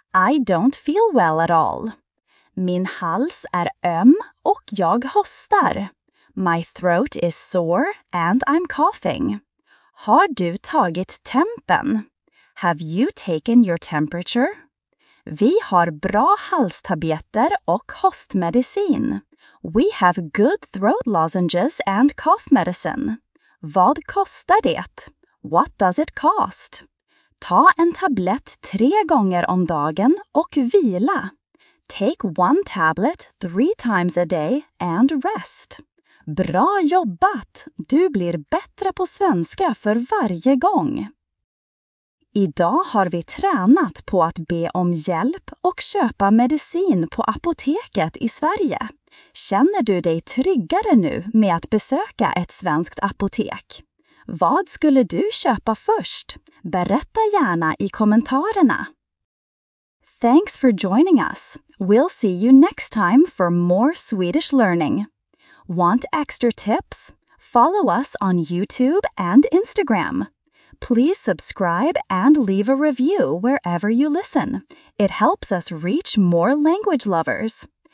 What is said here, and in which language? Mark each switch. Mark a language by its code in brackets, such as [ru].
[en] I don't feel well at all. [sv] Min hals är öm och jag hostar. [en] My throat is sore and I'm coughing. [sv] Har du tagit tempen? [en] Have you taken your temperature? [sv] Vi har bra halstabletter och hostmedicin. [en] We have good throat lozenges and cough medicine. [sv] Vad kostar det? [en] What does it cost? [sv] Ta en tablett 3 gånger om dagen och vila. [en] Take one tablet 3 times a day and rest. [sv] Bra jobbat! Du blir bättre på svenska för varje gång. Idag har vi tränat på att be om hjälp och köpa medicin på apoteket i Sverige. Känner du dig tryggare nu med att besöka ett svenskt apotek? Vad skulle du köpa först? Berätta gärna i kommentarerna. [en] Thanks for joining us. We'll see you next time for more Swedish learning. Want extra tips? Follow us on YouTube and Instagram. Please subscribe and leave a review wherever you listen. It helps us reach more language lovers.